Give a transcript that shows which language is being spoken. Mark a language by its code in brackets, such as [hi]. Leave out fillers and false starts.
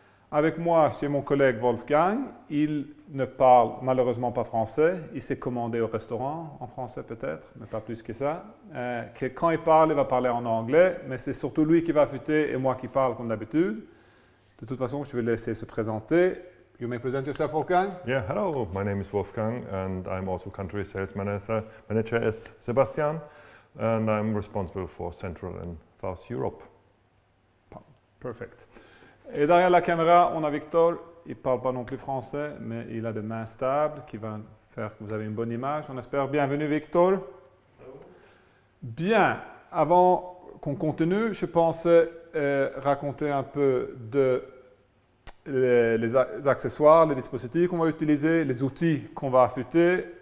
[fr] Avec moi, c'est mon collègue Wolfgang. Il ne parle malheureusement pas français. Il sait commander au restaurant en français peut-être, mais pas plus que ça. Quand il parle, il va parler en anglais, mais c'est surtout lui qui va affûter et moi qui parle comme d'habitude. De toute façon, je vais laisser se présenter. [en] You may present yourself, Wolfgang. Yeah, hello. My name is Wolfgang, and I'm also country sales manager as Sebastian, and I'm responsible for Central and South Europe. Perfect. [fr] Et derrière la caméra, on a Victor. Il ne parle pas non plus français, mais il a des mains stables qui vont faire que vous avez une bonne image. On espère. Bienvenue, Victor. Bien. Avant qu'on continue, je pensais raconter un peu les accessoires, les dispositifs qu'on va utiliser, les outils qu'on va affûter.